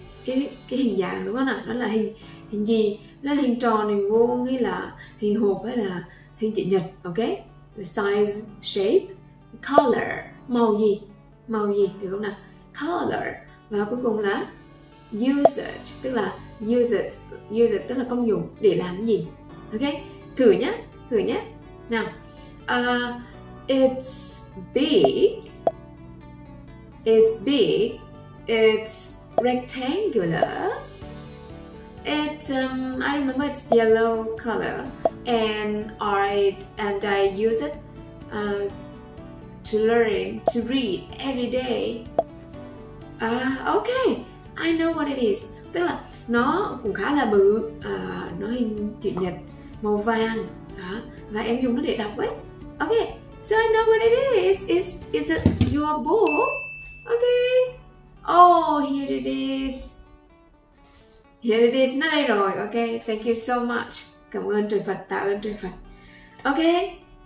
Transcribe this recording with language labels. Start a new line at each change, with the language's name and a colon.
Vietnamese: Cái hình dạng đúng không ạ? Nó là hình gì? Nó là hình tròn, hình vuông hay là hình hộp hay là hình chữ nhật. Ok.
English: Size, shape.
Vietnamese: Color, màu gì? Màu gì, được không nào? Color. Và cuối cùng là usage, tức là usage tức là công dụng, để làm gì. Ok, thử nhá.
English: Nào, it's big, it's rectangular, it's, I remember it's yellow color, and I use it to learn, to read every day. Okay, I know what it is.
Vietnamese: Tức là nó cũng khá là bự, nó hình chữ nhật, màu vàng, và em dùng nó để đọc ấy.
English: Okay, so I know what it is. Is it your book? Okay. Oh, here it is. Here it is.
Vietnamese: Nó đây rồi.
English: Okay. Thank you so much.
Vietnamese: Cảm ơn trời Phật.
English: Tạ ơn trời Phật. Okay.